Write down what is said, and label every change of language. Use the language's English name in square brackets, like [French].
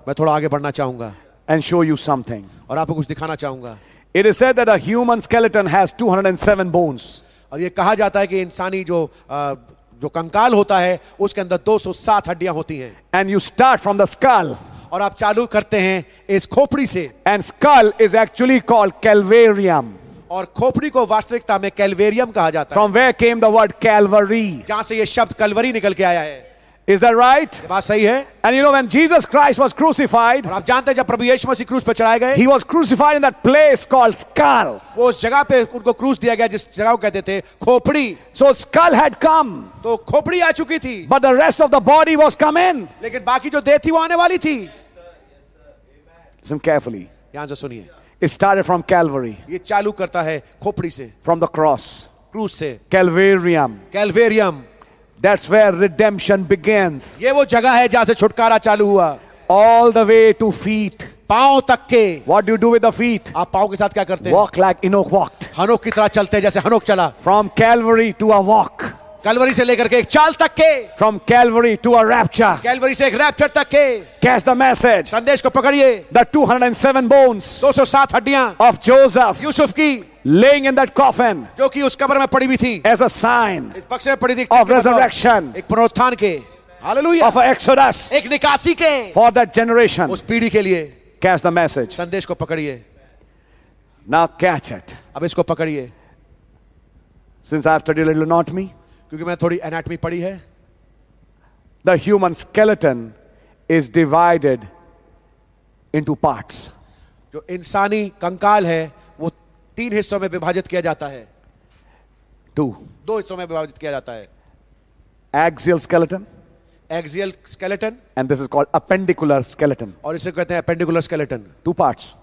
[Hindi] मैं थोड़ा आगे बढ़ना चाहूंगा [English] and show you something [Hindi] और आपको कुछ दिखाना चाहूंगा [English] it is said that a human skeleton has 207 bones [Hindi] और ये कहा जाता है कि इंसानी जो जो कंकाल होता है उसके अंदर 207 हड्डियां होती हैं [English] and you start from the skull [Hindi] और आप चालू करते हैं इस खोपड़ी से [English] and skull is actually called calvarium [Hindi] और खोपड़ी को वास्तविकता में कैल्वेरियम कहा जाता [English] From [Hindi] है [English] from where came the word Calvary [Hindi] जहां से ये शब्द कलवरी निकल के आया है [English] Is that right? [Hindi] बात सही है. [English] And you know when Jesus Christ was crucified, [Hindi] आप जानते हैं जब प्रभु यीशु मसीह क्रूस पर चढ़ाए गए, [English] He was crucified in that place called skull. [Hindi] वो उस जगह पे उनको क्रूस दिया गया जिस जगह को कहते थे खोपड़ी. [English] So skull had come. [Hindi] तो खोपड़ी आ चुकी थी. [English] But the rest of the body was coming. [Hindi] लेकिन बाकी जो देह थी वो आने वाली थी. [English] Listen carefully. [Hindi] ध्यान से सुनिए. [English] It started from Calvary. [Hindi] ये चालू करता है खोपड़ी से. [English] From the cross. [Hindi] क्रूस से. [English] Calvarium. Calvarium. That's where redemption begins. [Hindi] ये वो जगह है जहाँ से छुटकारा चालू हुआ. [English] All the way to feet. [Hindi] पाँव तक के. [English] What do you do with the feet? [Hindi] आप पाँव के साथ क्या करते हैं? [English] Walk like Enoch walked. [Hindi] हनोक की तरह चलते हैं जैसे हनोक चला. [English] From Calvary to a walk. [Hindi] Calvary से लेकर के एक चाल तक के. [English] From Calvary to a rapture. [Hindi] Calvary से एक रैप्चर तक के. [English] Catch the message. [Hindi] संदेश को पकड़िए. [English] The 207 bones. [Hindi] 207 हड्डियाँ. [English] Of Joseph. [Hindi] यूसुफ की. [English] Laying in that coffin, [Hindi] जो कि उस कब्र में पड़ी हुई थी, [English] as a sign, [Hindi] इस पक्ष में पड़ी थी, [English] of resurrection, [Hindi] एक पुनरुत्थान के, hallelujah, [English] of exodus, [Hindi] एक निकासी के, [English] for that generation, [Hindi] उस पीढ़ी के लिए, [English] catch the message, [Hindi] संदेश को पकड़िए, [English] now catch it, [Hindi] अब इसको पकड़िए, [English] since I have studied a little anatomy, [Hindi] क्योंकि मैं थोड़ी anatomy पढ़ी है, [English] the human skeleton is divided into parts, [Hindi] जो इंसानी कंकाल है तीन हिस्सों में विभाजित किया जाता है [English] to [Hindi] दो हिस्सों में विभाजित किया जाता है [English] axial skeleton and this is called appendicular skeleton [Hindi] और इसे कहते हैं अपेंडिकुलर स्केलेटन [English] two parts